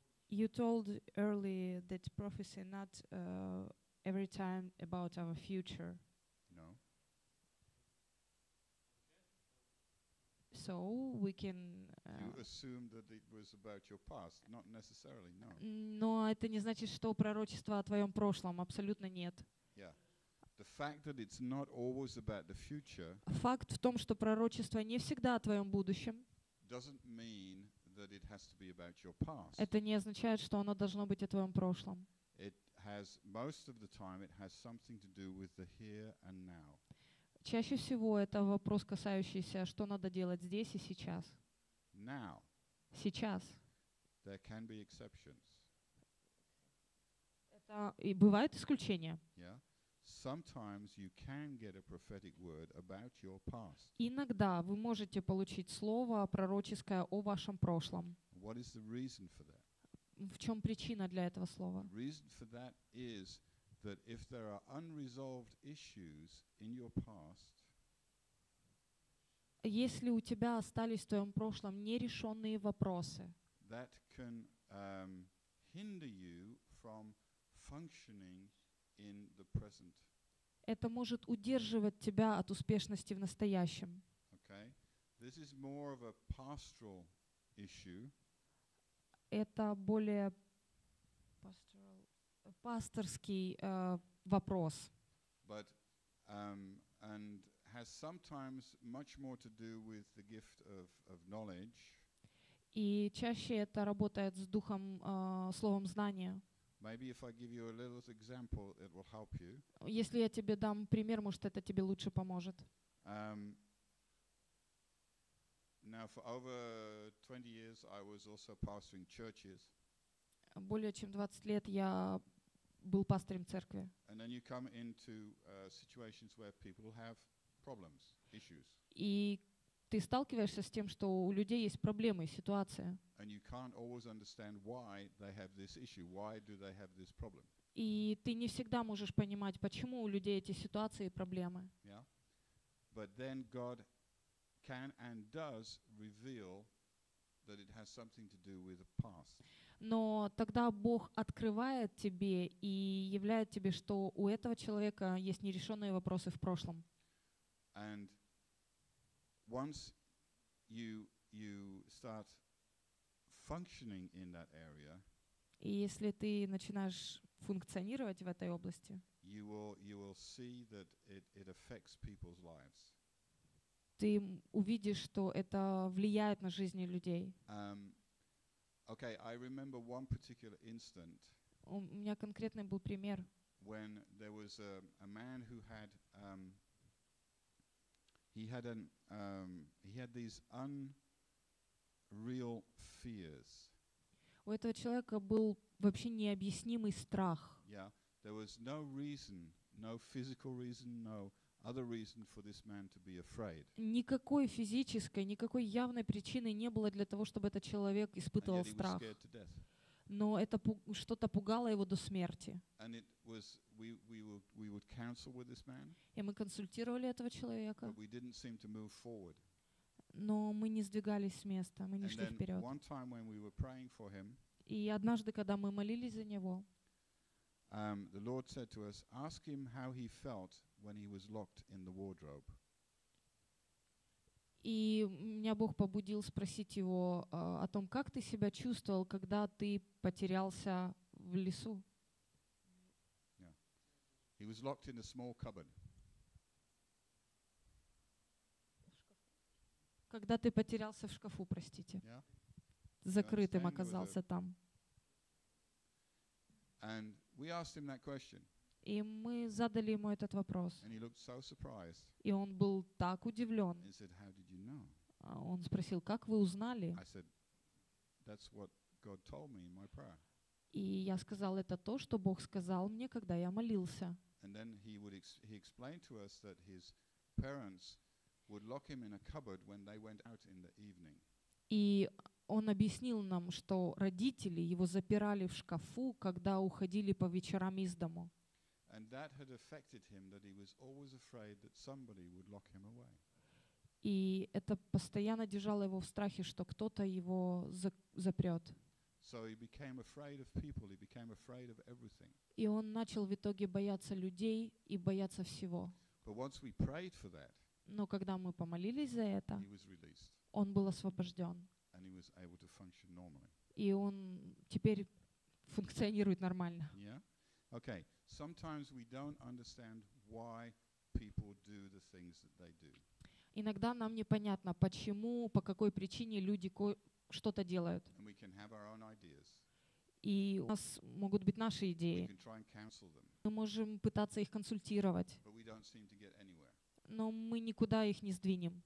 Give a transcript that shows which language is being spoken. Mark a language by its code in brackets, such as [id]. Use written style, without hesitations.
[en] You told earlier that prophecy not every time about our future. No. So we can. You assumed that it was about your past, not necessarily. No. [ru] Но это не значит, что пророчество о твоем прошлом. Абсолютно нет. [en] Yeah. The fact that it's not always about the future. [ru] Факт в том, что пророчество не всегда о твоем будущем. [en] Doesn't mean that it has to be about your past. [ru] Это не означает, что оно должно быть о твоем прошлом. [en] It has most of the time it has something to do with the here and now. [ru] Чаще всего это вопрос, касающийся, что надо делать здесь и сейчас. [en] Now. [ru] Сейчас. [en] There can be exceptions. [ru] Это и бывают исключения. [en] Yeah. Sometimes you can get a prophetic word about your past. [ru] Иногда вы можете получить слово пророческое о вашем прошлом. [en] What is the reason for that? [ru] В чем причина для этого слова? [en] The reason for that is that if there are unresolved issues in your past, [ru] если у тебя остались в твоем прошлом нерешенные вопросы, [en] that can hinder you from functioning in the present. [ru] Это может удерживать тебя от успешности в настоящем. [en] Okay. This is more of a pastoral issue. [ru] Это более pastoral пасторский вопрос. [en] But, and has sometimes much more to do with the gift of knowledge. [ru] И чаще это работает с духом, словом знания. [en] Maybe if I give you a little example, it will help you. [ru] Если я тебе дам пример, может, это тебе лучше поможет. [en] Now for over 20 years I was also pastoring churches. [ru] Более чем 20 лет я был пастором церкви. [en] And then you come into situations where people have problems, issues. [ru] И ты сталкиваешься с тем, что у людей есть проблемы, ситуация. [en] And you can't always understand why they have this issue, why do they have this problem. [ru] И ты не всегда можешь понимать, почему у людей эти ситуации и проблемы. [en] Yeah. But then God can and does reveal that it has something to do with the past. [ru] Но тогда Бог открывает тебе и являет тебе, что у этого человека есть нерешенные вопросы в прошлом. [en] And once you start functioning in that area, [ru] и если ты начинаешь функционировать в этой области, [en] you will see that it affects people's lives. [ru] Ты увидишь, что это влияет на жизни людей. [en] Okay, I remember one particular instant. [ru] У меня конкретный был пример. [en] When there was a man who had he had these unreal fears. [ru] У этого человека был вообще необъяснимый страх. [en] Yeah, there was no reason, no physical reason, no other reason for this man to be afraid. [ru] Никакой физической, никакой явной причины не было для того, чтобы этот человек испытывал страх. Но это что-то пугало его до смерти. [en] And it was we would counsel with this man. [ru] И мы консультировали этого человека. [en] But we didn't seem to move forward. [ru] Но мы не сдвигались с места, мы не шли вперед. [en] One time when we were praying for him. [ru] И однажды, когда мы молились за него, [en] The Lord said to us, ask him how he felt when he was locked in the wardrobe. [ru] И меня Бог побудил спросить его о том, как ты себя чувствовал, когда ты потерялся в лесу. [en] Yeah. He was locked in a small cupboard. [ru] Когда ты потерялся в шкафу, простите. [en] Yeah. [ru] Закрытым оказался там. [en] And we asked him that question. [ru] И мы задали ему этот вопрос. [en] And he looked so surprised. [ru] И он был так удивлен. [en] He said, "How did you know?" [ru] Он спросил, как вы узнали? [en] I said, "That's what God told me in my prayer." [ru] И я сказал, это то, что Бог сказал мне, когда я молился. [en] And then he explained to us that his parents would lock him in a cupboard when they went out in the evening. [ru] И он объяснил нам, что родители его запирали в шкафу, когда уходили по вечерам из дому. [en] And that had affected him, that he was always afraid that somebody would lock him away. [ru] И это постоянно держало его в страхе, что кто-то его запрет. [en] So he became afraid of people, he became afraid of everything. [ru] И он начал в итоге бояться людей и бояться всего. [en] But once we prayed for that, [ru] но когда мы помолились за это, [en] he was released. [ru] Он был освобожден. [en] And he was able to function normally. [ru] И он теперь функционирует нормально. [en] Yeah? Okay. Sometimes we don't understand why people do the things that they do. [ru] Иногда нам непонятно, почему, по какой причине люди что-то делают. [en] And we can have our own ideas. [ru] И у нас могут быть наши идеи. [en] We can try and counsel them. [ru] Мы можем пытаться их консультировать. [en] But we don't seem to get anywhere. [ru] Но мы никуда их не сдвинем.